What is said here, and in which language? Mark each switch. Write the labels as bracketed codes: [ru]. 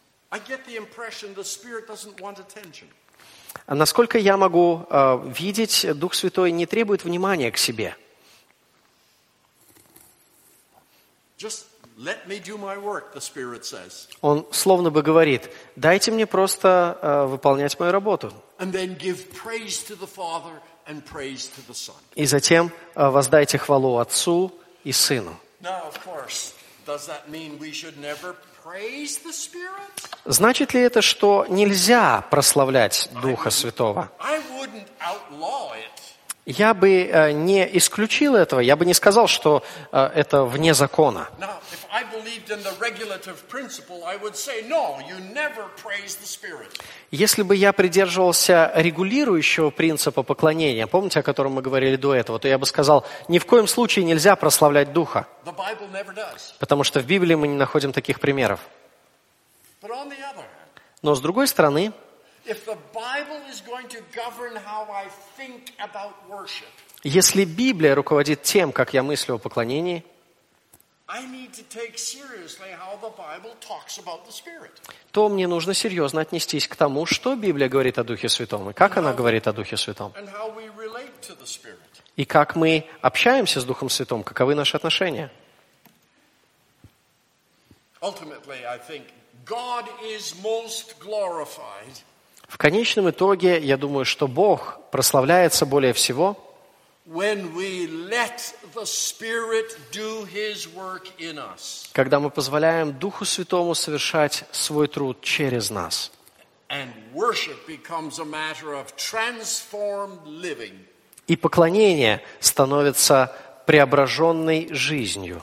[en] I get the impression the Spirit doesn't want attention. [ru] А насколько я могу видеть, Дух Святой не требует внимания к себе. [en] Just let me do my work, the Spirit says. [ru] Он словно бы говорит: дайте мне просто выполнять мою работу. [en] And then give praise to the Father and praise to the Son. [ru] И затем воздайте хвалу Отцу и Сыну. [en] Now, of course, does that mean we should never praise the Spirit? [ru] Значит ли это, что нельзя прославлять Духа Святого? [en] I wouldn't outlaw it. [ru] Я бы не исключил этого, я бы не сказал, что это вне закона. [en] Now, I believed in the regulative principle, I would say, no, you never praise the Spirit. [ru] Если бы я придерживался регулирующего принципа поклонения, помните, о котором мы говорили до этого, то я бы сказал, ни в коем случае нельзя прославлять Духа. [en] The Bible never does. [ru] Потому что в Библии мы не находим таких примеров. [en] But on the other hand, [ru] но с другой стороны, [en] if the Bible is going to govern how I think about worship, [ru] если Библия руководит тем, как я мыслю о поклонении, [en] I need to take seriously how the Bible talks about the Spirit. [ru] То мне нужно серьезно отнестись к тому, что Библия говорит о Духе Святом, и как она говорит о Духе Святом. [en] And how we relate to the Spirit. [ru] И как мы общаемся с Духом Святым, каковы наши отношения. [en] Ultimately, I think God is most glorified. [ru] В конечном итоге, я думаю, что Бог прославляется более всего, [en] when we let the Spirit do His work in us. [ru] Когда мы позволяем Духу Святому совершать свой труд через нас. [en] And worship becomes a matter of transformed living. [ru] И поклонение становится преображенной жизнью.